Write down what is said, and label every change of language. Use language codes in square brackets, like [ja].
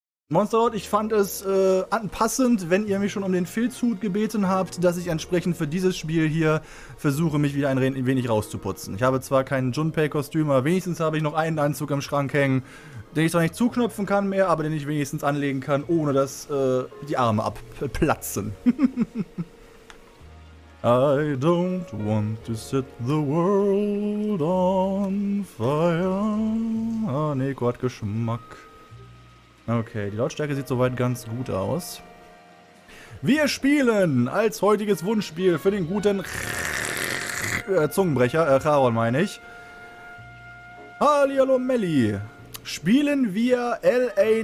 [de] Monsterlord, ich fand es anpassend, wenn ihr mich schon um den Filzhut gebeten habt, dass ich entsprechend für dieses Spiel hier versuche, mich wieder ein wenig rauszuputzen. Ich habe zwar kein Junpei-Kostüm, aber wenigstens habe ich noch einen Anzug im Schrank hängen, den ich zwar nicht zuknöpfen kann mehr, aber den ich wenigstens anlegen kann, ohne dass die Arme abplatzen. [en] I don't want to set the world on fire. [de] Ah, Neko hat Geschmack. Okay, die Lautstärke sieht soweit ganz gut aus. Wir spielen als heutiges Wunschspiel für den guten Zungenbrecher, Charon meine ich. Hallihallo Melli. Spielen wir L.A.